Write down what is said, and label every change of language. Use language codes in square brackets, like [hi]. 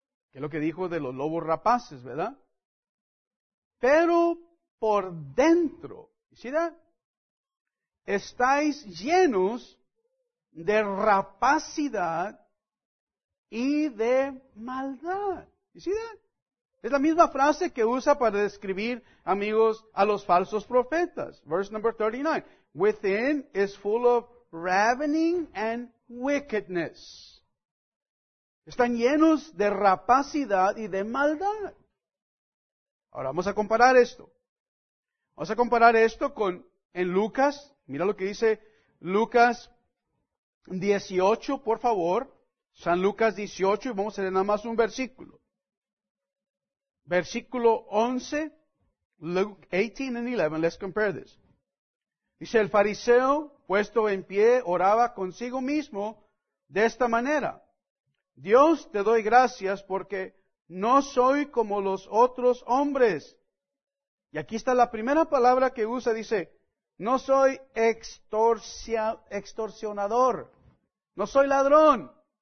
[es] Que es lo que dijo de los lobos rapaces, ¿verdad? Pero por dentro, ¿sí da? Estáis llenos de rapacidad y de maldad. ¿Sí da? Es la misma frase que usa para describir, amigos, a los falsos profetas. [en] Verse number 39. Within is full of ravening and wickedness. [es] Están llenos de rapacidad y de maldad. Ahora vamos a comparar esto. Vamos a comparar esto con en Lucas. Mira lo que dice Lucas 18, por favor. San Lucas 18, y vamos a leer nada más un versículo. Versículo 11, [en] Luke 18 and 11, let's compare this. [es] Dice, el fariseo, puesto en pie, oraba consigo mismo de esta manera. Dios, te doy gracias porque no soy como los otros hombres. Y aquí está la primera palabra que usa, dice, no soy extorsionador, no soy ladrón.